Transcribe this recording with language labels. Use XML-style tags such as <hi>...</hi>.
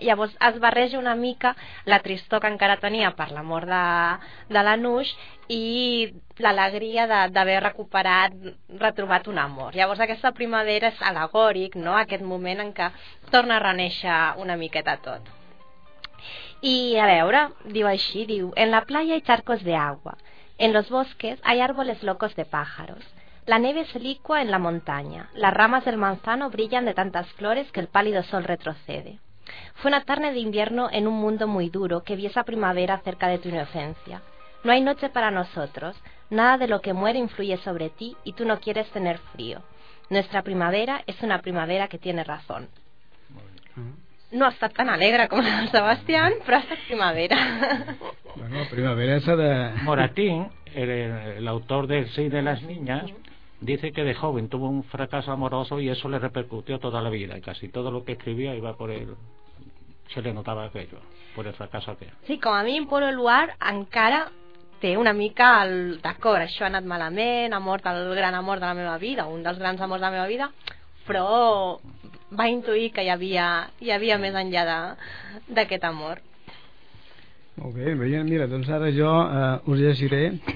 <ca>Llavors es barreja una mica la tristor que encara tenia per l'amor de la Nuix i l'alegria d'haver retrobat un amor. Llavors aquesta primavera és al·legòric, no?, aquest moment en què torna a renéixer una miqueta tot.</ca> <es>Y</es> <ca>a veure, diu així, diu:</ca> <es>en la playa hay charcos de agua. En los bosques hay árboles locos de pájaros. La nieve se licua en la montaña. Las ramas del manzano brillan de tantas flores que el pálido sol retrocede. Fue una tarde de invierno en un mundo muy duro que vi esa primavera cerca de tu inocencia. No hay noche para nosotros. Nada de lo que muere influye sobre ti y tú no quieres tener frío. Nuestra primavera es una primavera que tiene razón.</es> <ca>No ha estat tan alegre com el Sebastián, però ha estat primavera.</ca> <es>Bueno, primavera esa de... Moratín, el autor del Sí de las niñas, dice que de joven tuvo un fracaso amoroso y eso le repercutió toda la vida. Y casi todo lo que escribía iba por él. Se le notaba aquello, por el fracaso aquello.</es> <ca>Sí, com a mi en Pueblo Luar encara té una mica el... D'acord, això ha anat malament, ha mort el gran amor de la meva vida, un dels grans amors de la meva vida... però va intuir que hi havia més enllà d'aquest amor. Molt bé, mira, doncs ara jo us llegiré.</ca>